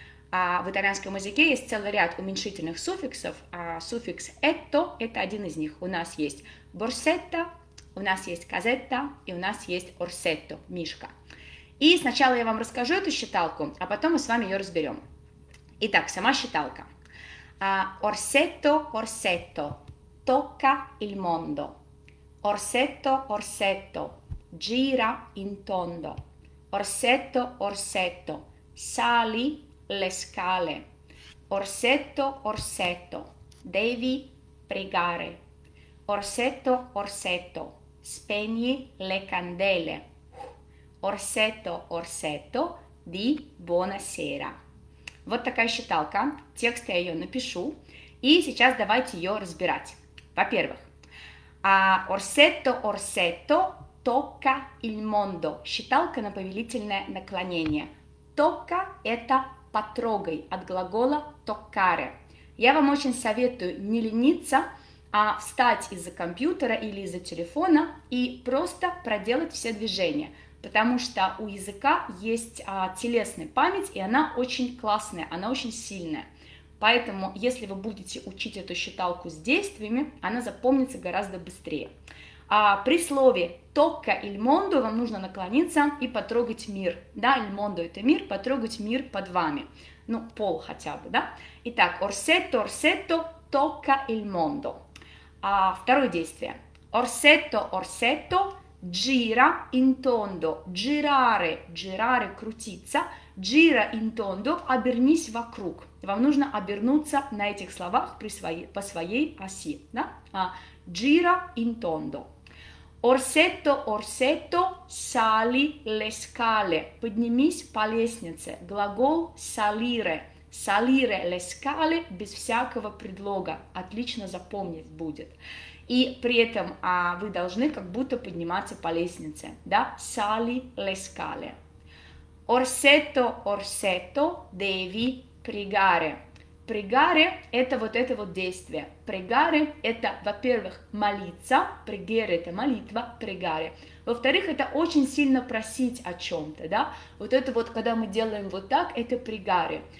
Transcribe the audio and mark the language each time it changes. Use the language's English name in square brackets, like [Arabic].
[Russian] В итальянском языке есть целый ряд уменьшительных суффиксов. Суффикс «этто» – это один из них. У нас есть «борсетта», у нас есть «казетта» и у нас есть «орсетто» – «мишка». И сначала я вам расскажу эту считалку, а потом мы с вами ее разберем. Итак, сама считалка. [Italian] «Орсетто, орсетто, tocca il mondo. Орсетто, орсетто, gira in tondo. Орсетто, орсетто, sali le scale. Orsetto, orsetto, devi pregare. Orsetto, orsetto, spegni le candele. Orsetto, orsetto, di buonasera». [Russian] Вот такая считалка. Текст я ее напишу. И сейчас давайте ее разбирать. Во-первых, [Italian] «Орсетто, орсетто, tocca il mondo». [Russian] Считалка на повелительное наклонение. «Tocca» – это «потрогай» от глагола «toccare». Я вам очень советую не лениться, а встать из-за компьютера или из-за телефона и просто проделать все движения, потому что у языка есть телесная память, и она очень классная, она очень сильная. Поэтому, если вы будете учить эту считалку с действиями, она запомнится гораздо быстрее. При слове [Italian] «tocca il mondo» [Russian] вам нужно наклониться и потрогать мир. Да, [Italian] il mondo [Russian] – это мир, потрогать мир под вами. Ну, пол хотя бы, да? [Italian] Итак, «orsetto, orsetto, tocca il mondo». Второе действие. «Orsetto, orsetto, gira in tondo». «Girare» – «girare» – «крутиться». «Gira in tondo» – [Russian] «обернись вокруг». Вам нужно обернуться на этих словах по своей оси. [Italian] Да? «Gira in tondo». Orsetto, orsetto, sali le scale. [Russian] Поднимись по лестнице. Глагол salire. [Italian] Salire le scale [Russian] без всякого предлога. Отлично запомнить будет. И при этом вы должны как будто подниматься по лестнице. [Italian] Да? Sali le scale. Orsetto, orsetto, devi pregare. [Russian] Pregare – это вот это вот действие. Pregare – это, во-первых, молиться. Pregare – это молитва. [Italian] Pregare. [Russian] Во-вторых, это очень сильно просить о чем-то, да? Вот это вот, когда мы делаем вот так, это pregare.